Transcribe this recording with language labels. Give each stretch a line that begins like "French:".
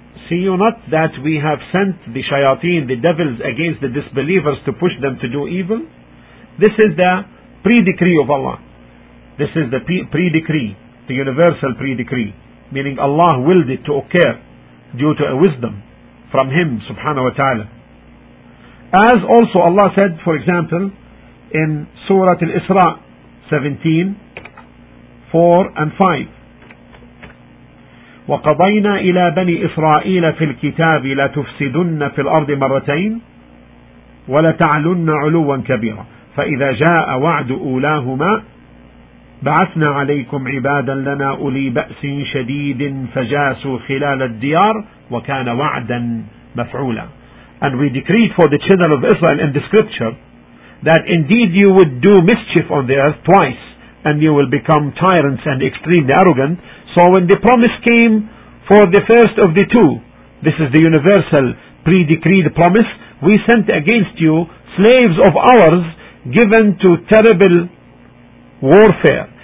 English: See you not that we have sent the shayateen, the devils, against the disbelievers to push them to do evil? This is the pre-decree of Allah. This is the pre-decree, the universal pre-decree, meaning Allah willed it to occur due to a wisdom from Him, subhanahu wa ta'ala. As also Allah said, for example, in Surah Al-Isra 17:4-5,
Arabic: وقضينا إلى بني إسرائيل في الكتاب لتفسدن في الأرض مرتين ولتعلن علوا كبيرا فإذا جاء وعد أولاهما بعثنا عليكم عبادا لنا أولي بأس شديد فجاسوا خلال الديار وكان وعدا مفعولا.
English: And we decreed for the children of Israel in the scripture that indeed you would do mischief on the earth twice and you will become tyrants and extremely arrogant. So when the promise came for the first of the two, this is the universal pre-decreed promise, we sent against you slaves of ours given to terrible warfare.